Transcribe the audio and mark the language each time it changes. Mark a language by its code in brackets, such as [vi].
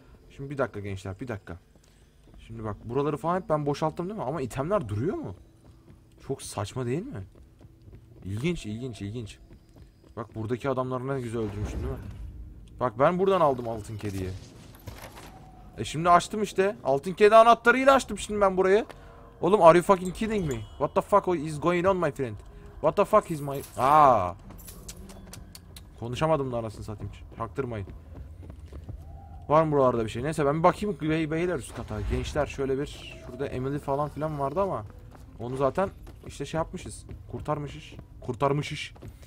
[tr] Şimdi bir dakika gençler, bir dakika. Şimdi bak buraları falan hep ben boşalttım değil mi? Ama itemler duruyor mu? Çok saçma değil mi? İlginç, ilginç, ilginç. Bak buradaki adamları ne güzel öldürmüştün değil mi? Bak ben buradan aldım altın kediyi. Şimdi açtım işte. Altın kedi anahtarıyla açtım şimdi ben burayı. Oğlum [en] are you fucking kidding me? What the fuck is going on my friend? What the fuck is my... Aaa. [tr] Konuşamadım da arasını satayım. Çaktırmayın. Var mı buralarda bir şey? Neyse ben bir bakayım. Beyler üst kata. Gençler şöyle bir... Şurada Emily falan filan vardı ama... Onu zaten işte şey yapmışız. Kurtarmışız. Kurtarmışız.